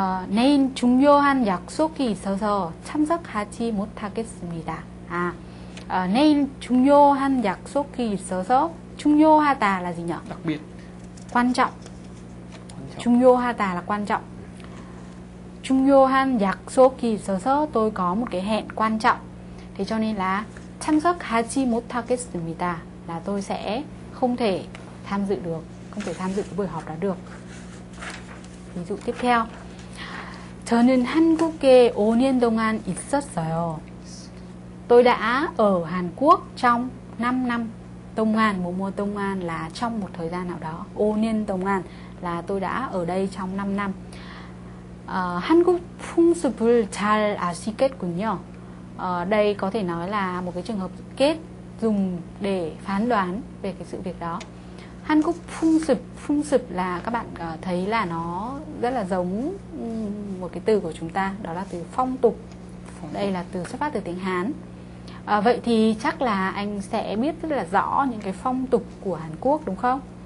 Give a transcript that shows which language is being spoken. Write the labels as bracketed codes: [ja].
[ko] 내일 중요한 약속이 있어서 참석하지 못하겠습니다. 아, 내일 중요한 약속이 있어서 중요하다 [vi] là gì nhỉ? Đặc biệt. Quan trọng. 중요하다 là quan trọng. [ko] 중요한 약속이 있어서 [vi] tôi có một cái hẹn quan trọng. Thế cho nên là [ko] 참석하지 못하겠습니다 [vi] là tôi sẽ không thể tham dự được, không thể tham dự cái buổi họp đó được. Ví dụ tiếp theo. [ko] 저는 한국에 5년 동안 있었어요. [vi] Tôi đã ở Hàn Quốc trong 5 năm. 동안, 뭐뭐 동안 là trong một thời gian nào đó. 5년 동안 là tôi đã ở đây trong 5 năm. [ko] 한국 풍습을 잘 아시겠군요. [vi] Đây có thể nói là một cái trường hợp kết dùng để phán đoán về cái sự việc đó. 한국 풍습, 풍습 là các bạn thấy là nó rất là giống một cái từ của chúng ta, đó là từ phong tục. Đây là từ xuất phát từ tiếng Hán. Vậy thì chắc là anh sẽ biết rất là rõ những cái phong tục của Hàn Quốc đúng không?